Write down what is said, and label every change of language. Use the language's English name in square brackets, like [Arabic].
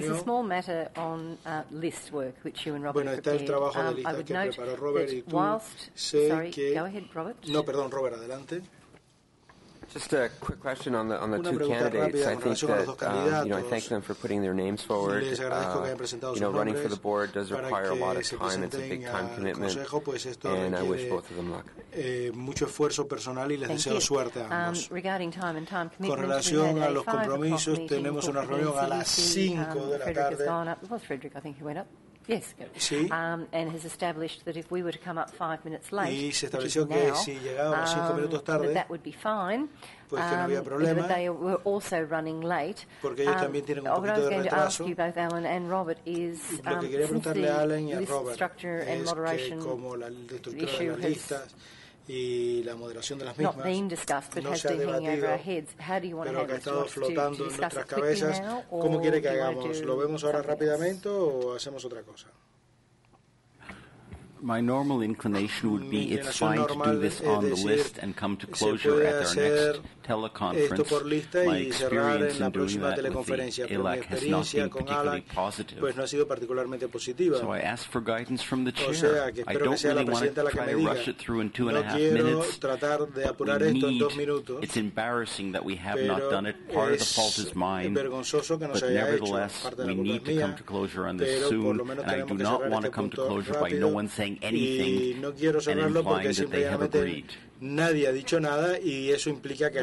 [English] There's a small matter on list work which you and Robert prepared. [Spanish] Está el trabajo de lista que preparó Robert y tú. [English] Whilst, sorry, go ahead, Robert. [Spanish] No, perdón, Robert, adelante. [English] Just a quick question on the two candidates. I think that, you know, I thank them for putting their names forward. You know, running for the board does require a lot of time. It's a big time commitment. And I wish both of them luck. [Spanish] Mucho esfuerzo personal y les deseo suerte a ambos. [English] Regarding time and time commitments, [Spanish] con relación a los compromisos, tenemos una reunión a las 5 de la tarde. [English] Frederick, I think he went up. Yes, [Spanish] sí. [English] And has established that if we were to come up 5 minutes late, [Spanish] y se estableció que [English] now, [Spanish] si llegábamos 5 minutos tarde, [English] that would be fine. [Spanish] Pues que no había problema. [English] But they were also running late. [Spanish] Porque ellos también tienen un poquito de retraso. [English] What I was going to ask you both, Alan and Robert, is [Spanish] the Alan y a Robert [English] structure and moderation issue has [Spanish] y la moderación de las mismas, [English] not been discussed, but [Spanish] no [English] has been hanging over our heads. How do you want to handle it? Do you discuss it quickly now, or [Spanish] ¿cómo quiere que hagamos? ¿Lo vemos ahora rápidamente o hacemos otra cosa? [English] My normal inclination would be it's fine to do this on the list and come to closure at our next teleconference. My experience in doing that with the ALAC has not been particularly positive. [Spanish] Pues no ha sido particularmente positiva. [English] So I ask for guidance from the chair. [Spanish] O sea, [English] I don't really want to try to rush it through in 2.5 minutes. It's embarrassing that we have not done it. Part of the fault is mine. But nevertheless, we need to come to closure on this soon. And I do not want to come to closure by no one saying anything and implying that they have agreed. [Spanish] Nadie ha dicho nada y eso implica que